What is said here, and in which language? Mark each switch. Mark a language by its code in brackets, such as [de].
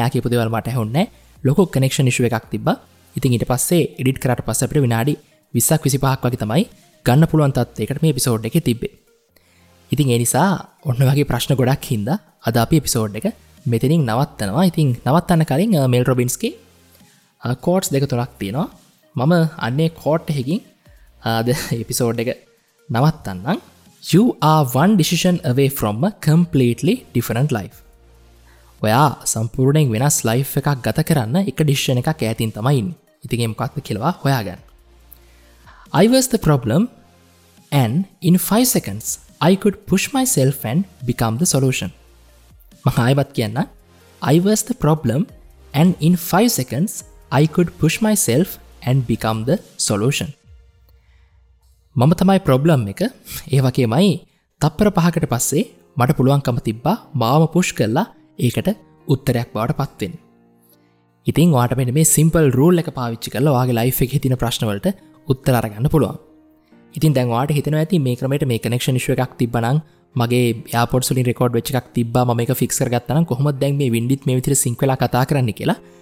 [si] එයා කියපු දේවල් මට ඇහුන්නේ නැහැ. ලොකු කනෙක්ෂන් ඉෂු එකක් තිබ්බා. ඉතින් ඊට පස්සේ එඩිට් කරාට පස්සේ අපිට විනාඩි 20ක් 25ක් වගේ තමයි ගන්න පුළුවන් තත්ත්වයකට මේ එපිසෝඩ් එකේ තිබ්බේ. ඉතින් ඒ නිසා ඔන්න වගේ ප්‍රශ්න ගොඩක් හින්දා අද අපි එපිසෝඩ් එක මෙතනින් නවත්තනවා. ඉතින් නවත්තන කලින් මෙල් රොබින්ස්ගේ කෝට්ස් දෙක තුනක් තියෙනවා. මම අන්නේ කෝට් එකකින් අද එපිසෝඩ් එක නවත්තන්නම්. [en] You are one decision away from a completely different life. [si] ඔයා සම්පූර්ණයෙන් වෙනස් ලයිෆ් එකක් ගත කරන්න එක ඩිසිෂන් එකක් ඈතින් තමයි ඉන්නේ. ඉතින් ඒක මොකක්ද කියලා හොයාගන්න. [en] I was the problem and in 5 seconds I could push myself and become the solution. [si] මම ආයෙත් කියන්නම්. [en] I was the problem and in 5 seconds I could push myself and become the solution. [si] මම තමයි ප්‍රොබ්ලම් එක. ඒ වගේමයි තප්පර 5කට පස්සේ මට පුළුවන්කම තිබ්බා මාවම පුෂ් කරලා ඒකට උත්තරයක් බවට පත් වෙන්න. ඉතින් ඔයාට මෙන්න මේ සිම්පල් රූල් එක පාවිච්චි කරලා ඔයාගේ ලයිෆ් එකේ තියෙන ප්‍රශ්න වලට උත්තර අරගන්න පුළුවන්. ඉතින් දැන් ඔයාට හිතෙනවා ඇති මේ ක්‍රමයට මේ කනෙක්ෂන් ඉෂුව එකක් තිබ්බනම් මගේ එයාපෝඩ්ස් වලින් රෙකෝඩ් වෙච්ච එකක් තිබ්බා මම ඒක ෆික්ස් කරගත්තා නම් කොහොමද දැන් මේ වින්ඩිත් මේ විදිහට සින්ක් වෙලා කතා කරන්නේ කියලා.